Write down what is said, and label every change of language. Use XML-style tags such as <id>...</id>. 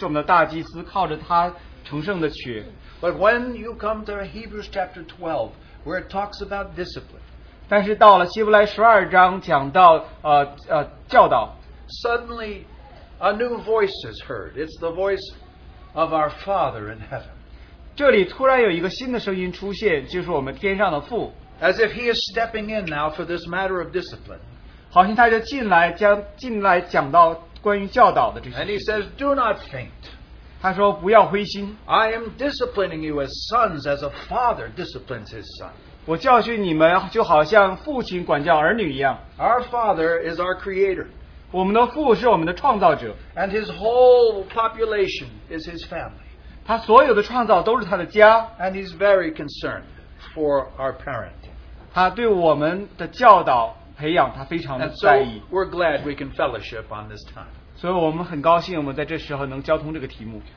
<zh>整本希伯来书都讲到耶稣基督是我们的大祭司，靠着他成圣的血。</zh> <en>But when you come to Hebrews chapter 12, where it talks about discipline,</en> <zh>但是到了希伯来十二章讲到教导,</zh> <en>suddenly a new voice is heard. It's the voice of our Father in heaven.</en> <zh>这里突然有一个新的声音出现，就是我们天上的父。</zh> <en>As if he is stepping in now for this matter of discipline.</en> <zh>好像他就进来讲到</zh> <en>And he says, do not faint.</en> <zh>他说不要灰心。</zh> <en>I am disciplining you as sons, as a father disciplines his son.</en> <zh>我教训你们就好像父亲管教儿女一样。</zh> <en>Our father is our creator.</en> <zh>我们的父是我们的创造者。</zh> <en>And his whole population is his family.</en> <zh>他所有的创造都是他的家。</zh> <en>And he's very concerned for our parenting.</en> <zh>他对我们的教导</zh> <en>And so we're glad we can fellowship on this time.</en> <zh>所以我们很高兴我们在这时候能交通这个题目。</zh>